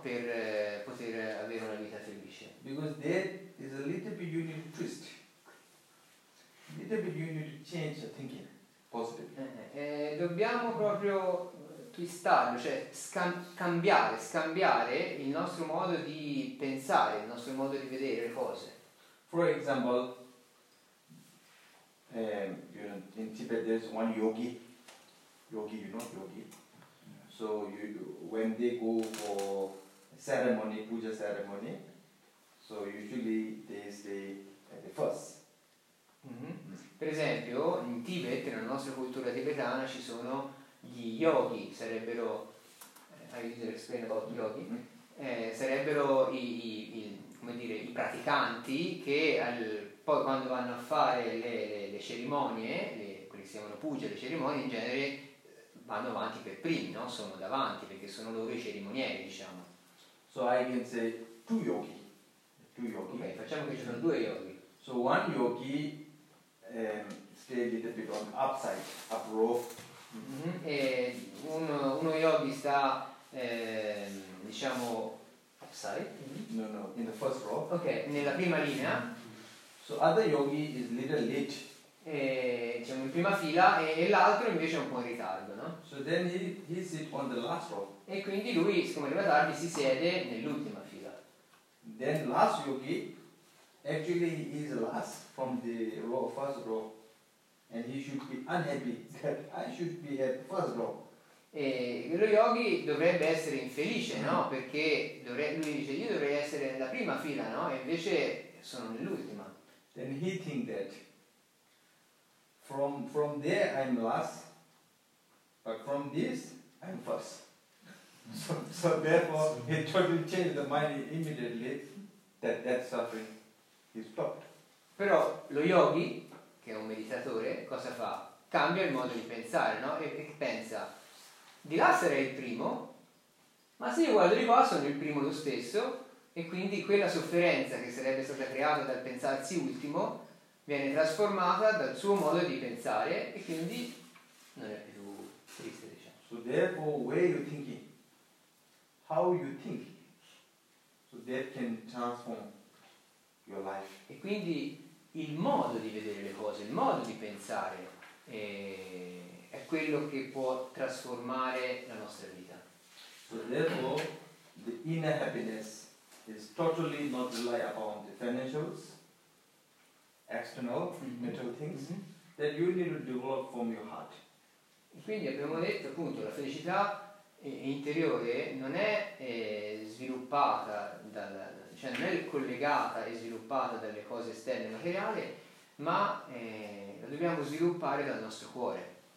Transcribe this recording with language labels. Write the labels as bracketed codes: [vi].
[it] Per poter avere una vita felice. [en] Because that is a little bit you need to twist. A little bit you need to change your thinking. Positive. [it] Dobbiamo proprio twistarlo, cioè scambiare il nostro modo di pensare, il nostro modo di vedere le cose. [en] For example, you know, in Tibet there's one yogi. Yogi, you know yogi. So you, when they go for ceremony, puja ceremony, so usually they stay at the first. Mm-hmm. Mm. [it] Per esempio, in Tibet, nella nostra cultura tibetana, ci sono gli yogi, sarebbero, [en] I used to explain about yogi, [it] sarebbero i praticanti che poi quando vanno a fare le cerimonie, quelli che si chiamano puja, le cerimonie in genere, vanno avanti per primi, no? Sono davanti, perché sono loro i cerimonieri, diciamo. [en] So I can say two yogi. [it] Okay, facciamo che ci sono due yogi. [en] So one yogi stay a little bit on upside, up rope. [it] Mm-hmm. E uno yogi sta, diciamo, upside? [en] Mm-hmm. No, in the first row. [it] Ok, nella prima linea. [en] So other yogi is little lit. [it] E, diciamo in prima fila e l'altro invece è un po' in ritardo, no? [en] So then he sit on the last row. [it] E quindi lui, siccome arriva tardi, si siede nell'ultima fila. [en] Then last yogi Actually, he is last from the row, first row, and he should be unhappy that I should be at first row. [it] E lo yogi dovrebbe essere infelice, no? Perché lui dice io dovrei essere nella prima fila, no? E invece sono nell'ultima. [en] Then he think that from there I'm last, but from this I'm first. So therefore he totally changed the mind immediately that suffering is stopped. [it] Però lo yogi, che è un meditatore, cosa fa? Cambia il modo di pensare, no? E pensa, di là sarei il primo, ma se io guardo di qua sono il primo lo stesso, e quindi quella sofferenza che sarebbe stata creata dal pensarsi ultimo viene trasformata dal suo modo di pensare, e quindi non è più triste, diciamo. [en] So therefore, where you thinking? How you think? So that can transform your life. [it] E quindi il modo di vedere le cose, il modo di pensare, è quello che può trasformare la nostra vita. [en] So therefore, the inner happiness is totally not rely upon the financials, external, material things, that you need to develop from your heart. [it] E quindi abbiamo detto appunto la felicità interiore non è sviluppata dal, cioè non è collegata e sviluppata dalle cose esterne materiali, ma la dobbiamo sviluppare dal nostro cuore.